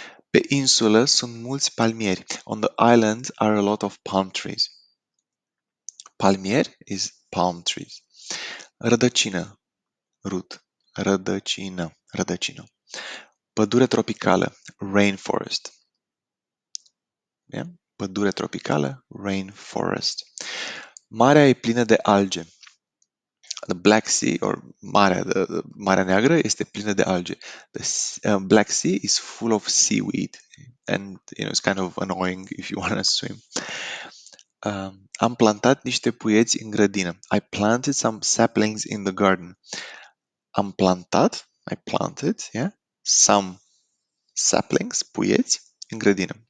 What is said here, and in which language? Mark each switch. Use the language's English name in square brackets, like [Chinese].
[Romanian] Pe insulă sunt mulți palmieri. [English] On the island are a lot of palm trees. Palmier is palm trees. Rădăcină, root. [Romanian] Rădăcină, rădăcină. Pădure tropicală, rainforest. Yeah? Pădure tropicală, rainforest. Marea e plină de alge. [English] The Black Sea, [Romanian] or Marea, the Marea Neagră, este plină de alge. [English] The Black Sea is full of seaweed. And, you know, it's kind of annoying if you want to swim. [Romanian] Am plantat niște puieți în grădină. [English] I planted some saplings in the garden. [Romanian] Am plantat, [English] I planted, yeah, some saplings, puieți, [Romanian] în grădină.